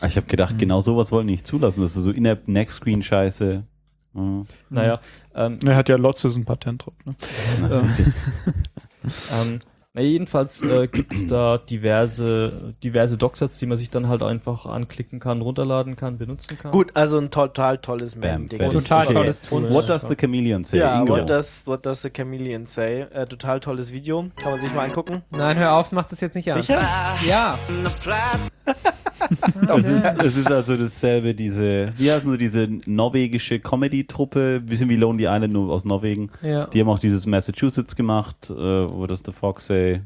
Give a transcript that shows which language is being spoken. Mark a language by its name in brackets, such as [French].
[German] Ich habe gedacht, genau sowas wollen die nicht zulassen. Das ist so In-App-Next-Screen-Scheiße. Naja. Er hat ja Lotzes ein Patent drauf. Ne? Na, jedenfalls gibt es da diverse Docsets, die man sich dann halt einfach anklicken kann, runterladen kann, benutzen kann. Gut, also ein total tolles Mem-Ding. Total tolles Tool. [English] What does the chameleon say? Ja, what does the chameleon say? [German] Total tolles Video. Kann man sich mal angucken. Nein, hör auf, mach das jetzt nicht an. Sicher? Ja. es ist also dasselbe, diese, wie heißen sie, diese norwegische Comedy-Truppe, ein bisschen wie Lonely Island, nur aus Norwegen. Ja. Die haben auch dieses Massachusetts gemacht, What Does the Fox Say?